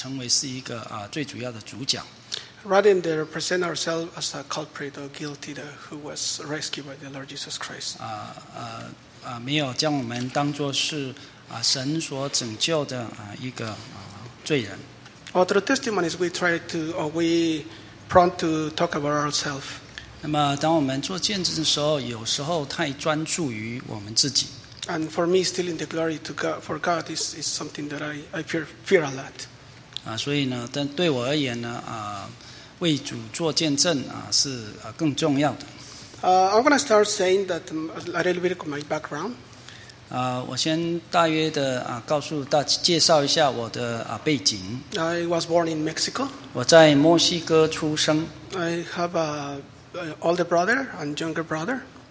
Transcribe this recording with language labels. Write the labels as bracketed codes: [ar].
[zh] 因为有时候呢，我们好像把自己在做见证的时候呢，成为是一个最主要的主角。 [en] Rather than present ourselves as a culprit or guilty who was rescued by the Lord Jesus Christ. [zh] 没有将我们当作是神所拯救的一个罪人。 [en] Well, through testimonies, we prone to talk about ourselves. [zh] 那么当我们做见证的时候，有时候太专注于我们自己。 [en] And for me, stealing the glory to God, for God is something that I fear a lot. [zh] 所以呢，但对我而言呢，为主做见证是更重要的。 [en] I'm going to start saying that a little bit of my background. [zh] 我先大约的告诉大家介绍一下我的背景。 [en] I was born in Mexico. [zh] 我在墨西哥出生。 [en] I have an older brother and younger brother.